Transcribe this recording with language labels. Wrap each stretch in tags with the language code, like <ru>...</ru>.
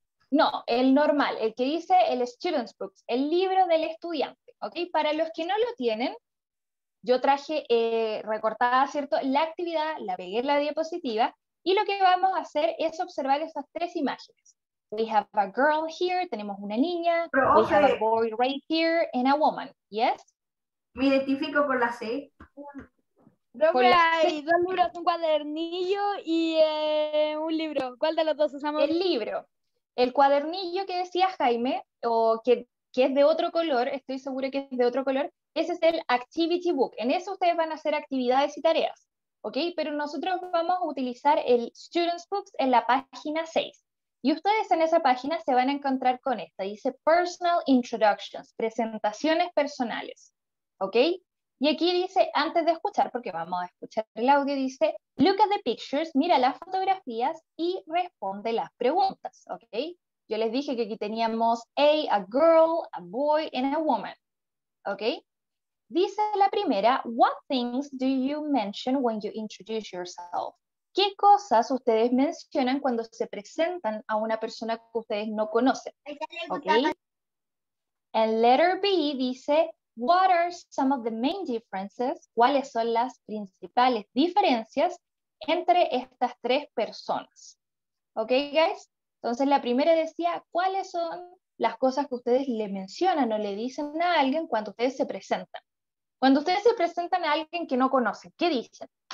<es>No, el normal, el que dice el Student's Book, el libro del estudiante, ¿ok? Para los que no lo tienen, yo traje recortada, ¿cierto?, la actividad, la pegué en la diapositiva. Y lo que vamos a hacer es observar esas tres imágenes.</es> <en>We have a girl here,</en> <es>tenemos una niña. Pero,</es> <en>we okay. have a boy right here and a woman. Yes?</en> <es>Me identifico con la C. Creo que hay dos libros, un cuadernillo y un libro. ¿Cuál de los dos usamos? El libro. El cuadernillo que decía Jaime, o que es de otro color, estoy segura que es de otro color, ese es el activity book. En eso ustedes van a hacer actividades y tareas. ¿Ok? Pero nosotros vamos a utilizar el Student's Books en la página 6. Y ustedes en esa página se van a encontrar con esta. Dice</es> <en>Personal Introductions,</en> <es>presentaciones personales. ¿Ok? Y aquí dice, antes de escuchar, porque vamos a escuchar el audio, dice</es> <en>Look at the pictures,</en> <es>mira las fotografías y responde las preguntas. ¿Ok? Yo les dije que aquí teníamos</es> <en>a girl, a boy, and a woman. ¿Ok?</en> <es>Dice la primera,</es> <en>what things do you mention when you introduce yourself?</en> <es>¿Qué cosas ustedes mencionan cuando se presentan a una persona que ustedes no conocen?</es> <en>Okay. And letter B dice, what are some of the main differences?</en> <es>¿Cuáles son las principales diferencias entre estas tres personas?</es> <en>Ok, guys.</en> <es>Entonces la primera decía, ¿cuáles son las cosas que ustedes le mencionan o le dicen a alguien cuando ustedes se presentan? Cuando ustedes se presentan a alguien que no conocen, ¿qué dicen?</es>